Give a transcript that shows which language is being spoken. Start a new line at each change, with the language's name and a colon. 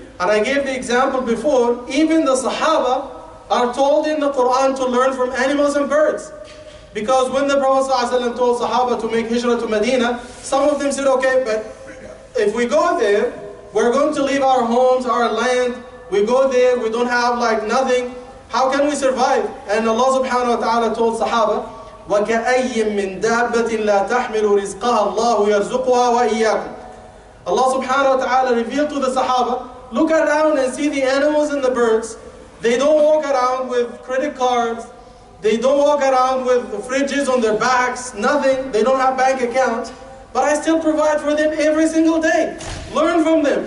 English: And I gave the example before, even the Sahaba are told in the Quran to learn from animals and birds. Because when the Prophet ﷺ told Sahaba to make hijrah to Medina, some of them said, okay, but if we go there, we're going to leave our homes, our land, we go there, we don't have like nothing, how can we survive? And Allah subhanahu wa ta'ala told Sahaba,
Arabic: وَكَأَيِّمْ مِنْ دَابَّةٍ لَا تَحْمِلُ رِزْقَهَا اللَّهُ يَرْزُقُهَا وَإِيَّاكُمْ.
English: Allah subhanahu wa ta'ala revealed to the Sahaba, look around and see the animals and the birds. They don't walk around with credit cards. They don't walk around with fridges on their backs, nothing. They don't have bank accounts. But I still provide for them every single day. Learn from them.